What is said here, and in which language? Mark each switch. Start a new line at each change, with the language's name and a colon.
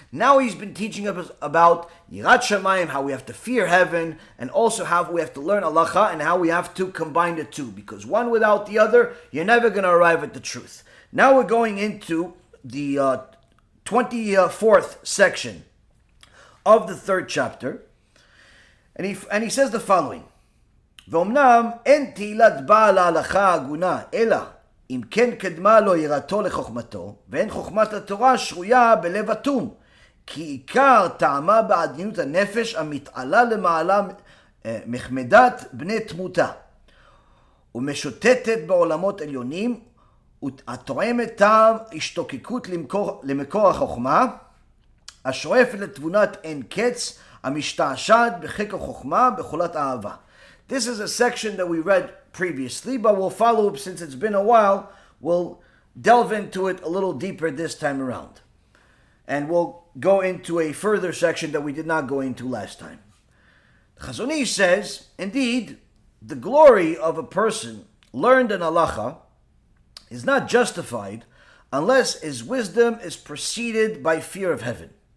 English: Now he's been teaching us about Yirat Shamayim, how we have to fear heaven, and also how we have to learn Halacha, and how we have to combine the two. Because one without the other, you're never going to arrive at the truth. Now we're going into the 24th section of the third chapter. And he says the following.
Hebrew: ואומנם אין תהילת בעל ההלכה הגונה, אלא אם כן קדמה לו יראתו לחוכמתו, ואין חוכמת התורה שרויה בלב אטום, כי עיקר טעמה בעדינות הנפש המתעלה למעלה מחמדת בני תמותה, ומשוטטת בעולמות עליונים, התואמת טעם השתוקקות למקור החוכמה, השואף לתבונת אין קץ, המשתעשת בחיק החוכמה בחולת אהבה.
English: This is a section that we read previously, but we'll follow up since it's been a while. We'll delve into it a little deeper this time around. And we'll go into a further section that we did not go into last time. Chazon Ish says, indeed, the glory of a person learned in halacha is not justified unless his wisdom is preceded by fear of heaven.